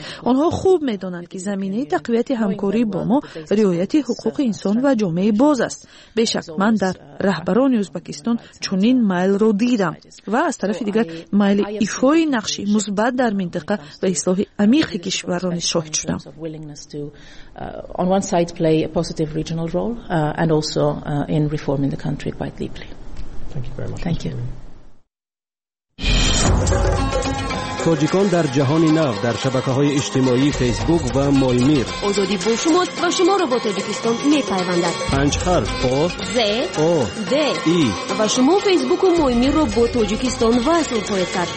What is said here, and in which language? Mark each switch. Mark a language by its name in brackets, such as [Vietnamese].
[Persian] آنها خوب میدانند که زمینه تقویت همکاری با ما رعایت حقوق انسان و جامعه باز است. بیشک من در رهبران ازبکستان چنین میل را دیدم و از طرف دیگر میل ایفای نقش مثبت در منطقه و اصلاح عمیق کشور را شاهد شدم. [English] On one side play a positive regional role and also in reforming the country quite deeply. Thank you very much. Thank you. [Persian] تاجیکان در جهان نو در شبکه‌های اجتماعی فیسبوک و مایمیر آزادی با شماست و شما را با تاجیکستان می‌پیوندد. پنج حرف با ز او د ای و شما فیسبوک و مایمیر را با تاجیکستان وصل خواهید کرد.